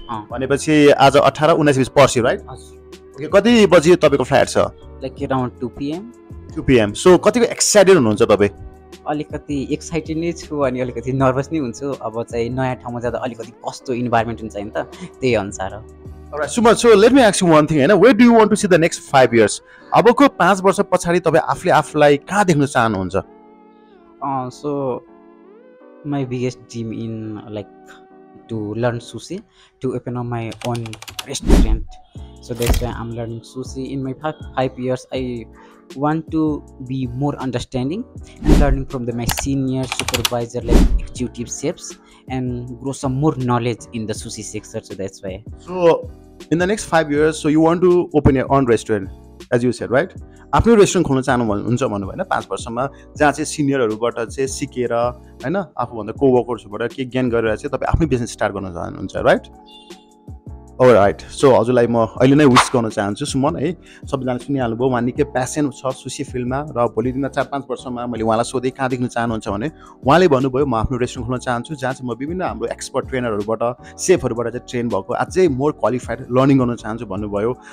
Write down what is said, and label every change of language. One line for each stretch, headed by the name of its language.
Nepali: भनेपछि आज 18-19 पर्सि, राइट? ओके, कति बजी तपाईँको फ्लाइट छ?
English: Like around 2 PM।
Nepali: 2 PM, so कतिको एक्साइटेड हुनुहुन्छ तपाईँ? अलिकति एक्साइटेड नै छु अनि अलिकति नर्भस नै हुन्छु। अब चाहिँ नयाँ ठाउँमा जाँदा अलिकति कस्तो इन्भाइरोमेन्ट हुन्छ नि त, त्यही अनुसार Suman.
English: So let me ask you one thing, होइन, where do you want to see the next 5 years?
Nepali: अबको 5 वर्ष पछाडि तपाईँ आफूले आफूलाई कहाँ देख्न चाहनुहुन्छ?
English: So my biggest dream in like to learn sushi, to open up my own restaurant. So that's why I am learning sushi. In my 5 years I want to be more understanding and learning from the my senior supervisor like executive chefs and grow some more knowledge in the sushi sector. So that's why. So in the next 5 years, so you want to open your own restaurant as you said, right?
Nepali: आफ्नो restaurant खोल्न चाहनुहुन्छ भन्नुभयो होइन, 5 वर्षमा, जहाँ चाहिँ सिनियरहरूबाट चाहिँ सिकेर होइन, आफूभन्दा कोवर्कर्सहरूबाट के ज्ञान गरेर चाहिँ तपाईँ आफ्नै बिजनेस स्टार्ट गर्न चाहनुहुन्छ, राइट? ओ राइट। सो हजुरलाई म अहिले नै विस गर्न चाहन्छु, सुमन है, सबैजना सुनिहाल्नुभयो, उहाँ निकै प्यासन छ सुशी फिल्डमा, र भोलि दिन 4-5 वर्षमा मैले उहाँलाई सोधेँ कहाँ देख्न चाहनुहुन्छ भने, उहाँले भन्नुभयो म आफ्नो रेस्टुरेन्ट खोल्न चाहन्छु, जहाँ चाहिँ म विभिन्न हाम्रो एक्सपर्ट ट्रेनरहरूबाट सेफहरूबाट चाहिँ ट्रेन भएको अझै मोर क्वालिफाइड लर्निङ गर्न चाहन्छु भन्नुभयो।